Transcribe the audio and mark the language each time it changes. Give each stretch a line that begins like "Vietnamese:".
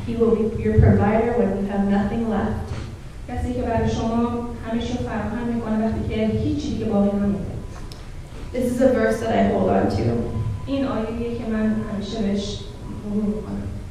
English: He will be your provider when you have nothing left.
Persian: کسی که برای شما همیشه فراهم میکنه وقتی که هیچی که باقی نمونده.
English: This is a verse that I hold on to.
Persian: این آیه‌ایه که من همیشه بهش مرور میکنم.